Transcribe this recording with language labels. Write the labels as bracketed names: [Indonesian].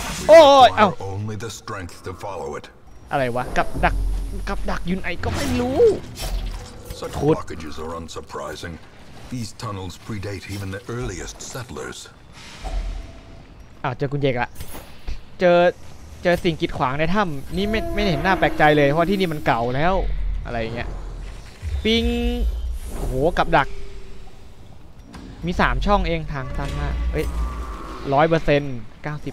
[English] We require only the strength to follow it. [Thai] อะไรวะกับดักยุนไอก็ไม่รู้ [English] Such blockages are unsurprising. These tunnels predate even the earliest settlers. [Thai] อ้าวเจอกุญแจละเจอสิ่งกีดขวางในถ้ำนี่ไม่เห็นหน้าแปลกใจเลยเพราะที่นี่มันเก่าแล้วอะไรอย่างเงี้ยปิงโหกับดักมี3ช่องเองทางตันมากเอ้ย 100% 90%